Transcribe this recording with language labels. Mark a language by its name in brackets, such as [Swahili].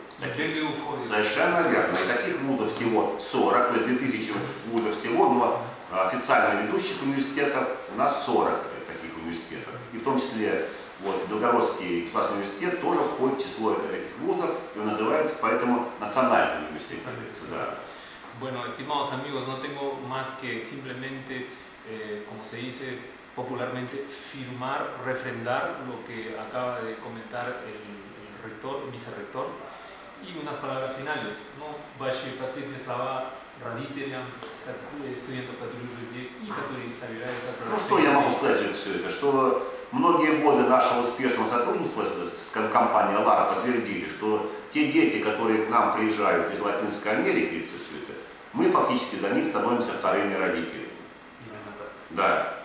[Russian] Совершенно верно. И таких вузов всего 40, то есть 2000 вузов всего, но официально ведущих университетов у нас 40 таких университетов. И в том числе вот, Белгородский государственный университет тоже входит в число этих вузов, и он называется поэтому национальным университетом. Да. [Spanish] Bueno, estimados amigos, no tengo más que simplemente, como se dice popularmente, firmar, refrendar lo que acaba de comentar el rector, el vicerrector. И unas palabras finales. [Russian] Ну, ваши последние слова родителям, студентам, которые уже здесь и которые собираются продолжать. Ну что я могу сказать за все это? Что многие годы нашего успешного сотрудничества с компанией ALAR подтвердили, что те дети, которые к нам приезжают из Латинской Америки, мы фактически для них становимся вторыми родителями. Да.